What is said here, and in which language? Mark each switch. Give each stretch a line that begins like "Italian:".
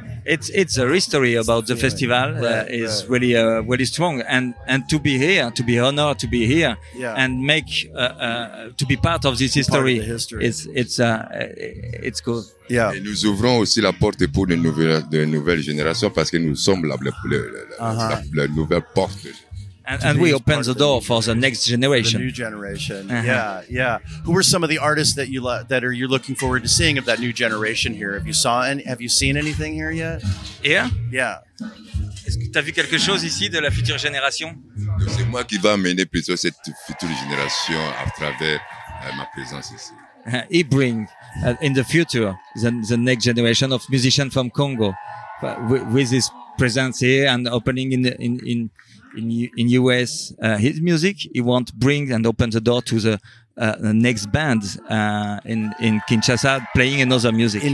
English: It's a history about the festival really really strong, and to be here, to be honored to be here, and make to be part of this history. Part of the history. It's cool. Yeah.
French: Et nous ouvrons aussi la porte pour de nouvelles générations parce que nous sommes la nouvelle porte.
English: And we open the door for the next generation. The new generation. Uh-huh. Yeah, yeah. Who are some of the artists that you're looking forward to seeing of that new generation here? Have you seen anything here yet? Yeah. Yeah.
French: Est-ce que tu as vu quelque chose ici de la future génération? C'est moi qui va amener plutôt cette future génération à travers ma présence ici.
English: He bring in the future the next generation of musicians from Congo with his presence here and opening in US his music. He want bring and open the door to the next band in Kinshasa playing another music